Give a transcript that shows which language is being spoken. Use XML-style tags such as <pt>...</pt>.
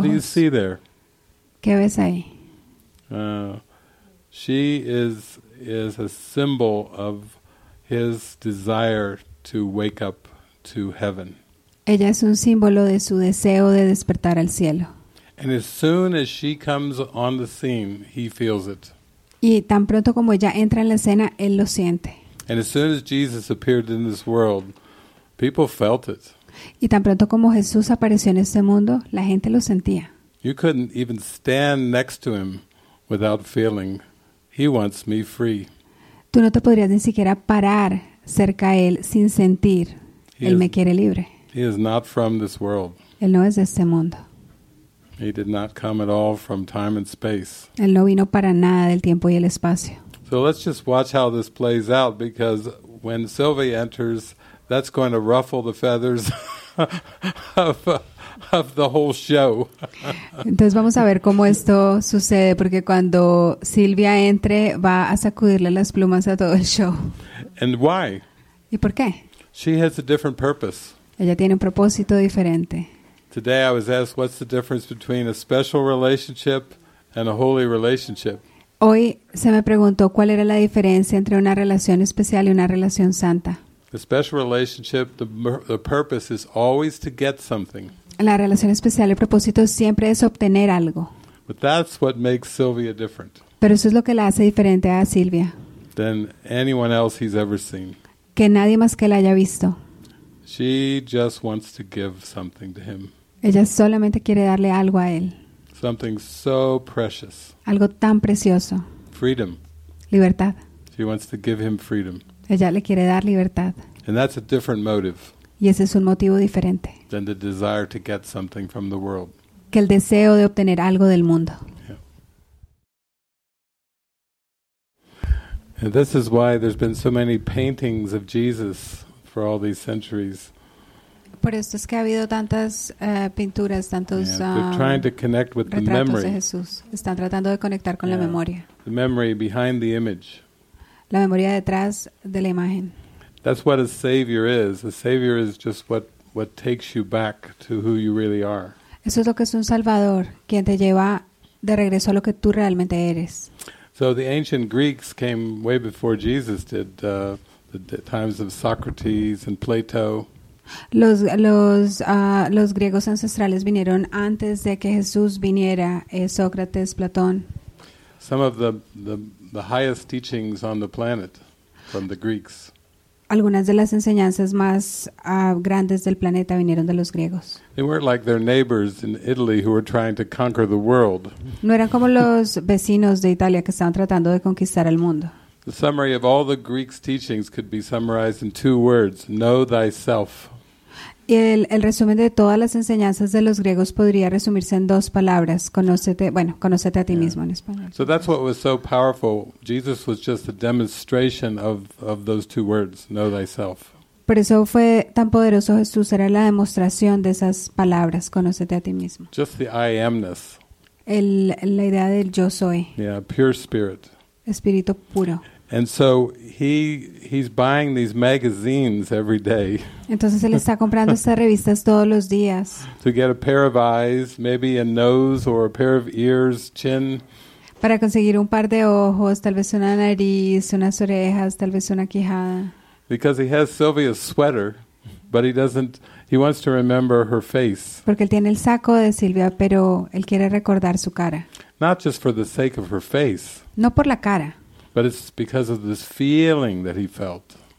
<en>What do you see there?</en> <es>¿Qué ves ahí?</es> <en>She is a symbol of his desire to wake up to heaven.</en> <es>Ella es un símbolo de su deseo de despertar al cielo.</es> <en>And as soon as she comes on the scene, he feels it.</en> <es>Y tan pronto como ella entra en la escena, él lo siente.</es> <en>And as soon as Jesus appeared in this world, people felt it.</en> <es>Y tan pronto como Jesús apareció en este mundo, la gente lo sentía.</es> <en>You couldn't even stand next to him without feeling he wants me free.</en> <es>Tú no te podrías ni siquiera parar cerca a él sin sentir él me quiere libre.</es> <en>He is not from this world.</en> <es>Él no es de este mundo.</es> <en>He did not come at all from time and space.</en> <es>Él no vino para nada del tiempo y el espacio.</es> <en>So let's just watch how this plays out, because when Sylvie enters, that's going to ruffle the feathers of the whole show.</en> <es>Entonces vamos a ver cómo esto sucede, porque cuando Silvia entre, va a sacudirle las plumas a todo el show.</es> <en>And why?</en> <es>¿Y por qué?</es> <en>She has a different purpose.</en> <es>Ella tiene un propósito diferente.</es> <en>Today I was asked, what's the difference between a special relationship and a holy relationship?</en> <es>Hoy se me preguntó cuál era la diferencia entre una relación especial y una relación santa.</es> <en>A special relationship, the purpose is always to get something.</en> <es>La relación especial, el propósito siempre es obtener algo.</es> <en>But that's what makes Sylvia different.</en> <es>Pero eso es lo que la hace diferente a Silvia.</es> <en>Than anyone else he's ever seen.</en> <es>Que nadie más que la haya visto.</es> <en>She just wants to give something to him.</en> <es>Ella solamente quiere darle algo a él.</es> <en>Something so precious.</en> <es>Algo tan precioso.</es> <en>Freedom.</en> <es>Libertad.</es> <en>She wants to give him freedom.</en> <es>Ella le quiere dar libertad.</es> <en>And that's a different motive.</en> <es>Y ese es un motivo diferente.</es> <en>Than the desire to get something from the world.</en> <es>Que el deseo de obtener algo del mundo. Yeah.</es> <en>And this is why there's been so many paintings of Jesus for all these centuries.</en> <es>Por esto es que ha habido tantas pinturas, tantos retratos de Jesús. Están tratando de conectar con la memoria.</es> <en>The memory behind the image.</en> <es>La memoria detrás de la imagen.</es> <en>That's what a savior is. A savior is just what takes you back to who you really are.</en> <es>Eso es lo que es un salvador, quien te lleva de regreso a lo que tú realmente eres.</es> <en>So the ancient Greeks came way before Jesus did, the times of Socrates and Plato.</en> <es>Los griegos ancestrales vinieron antes de que Jesús viniera, Sócrates, Platón.</es> <en>Some of the highest teachings on the planet from the Greeks.</en> <es>Algunas de las enseñanzas más grandes del planeta vinieron de los griegos.</es> <en>They weren't like their neighbors in Italy who were trying to conquer the world.</en> <es>No eran como los vecinos de Italia que estaban tratando de conquistar el mundo.</es> <en>The summary of all the Greeks' teachings could be summarized in two words: know thyself.</en> <es>Y el resumen de todas las enseñanzas de los griegos podría resumirse en dos palabras: conócete, bueno, conócete a ti mismo en español.</es> <en>So that's what was so powerful. Jesus was just a demonstration of those two words: know thyself.</en> <es>Por eso fue tan poderoso Jesús, era la demostración de esas palabras: conócete a ti mismo.</es> <en>Just the I am-ness.</en> <es>La idea del yo soy.</es> <en>Yeah, pure spirit.</en> <es>Espíritu puro.</es> <en>And so he's buying these magazines every day.</en> <es>Entonces él está comprando estas revistas todos los días.</es> <en>To get a pair of eyes, maybe a nose or a pair of ears, chin.</en> <es>Para conseguir un par de ojos, tal vez una nariz, unas orejas, tal vez una quijada.</es> <en>Because he has Sylvia's sweater, but he wants to remember her face.</en> <es>Porque él tiene el saco de Silvia, pero él quiere recordar su cara.</es> <en>Not just for the sake of her face.</en> <es>No por la cara.</es> <en>But it's because of this feeling that he felt.</en>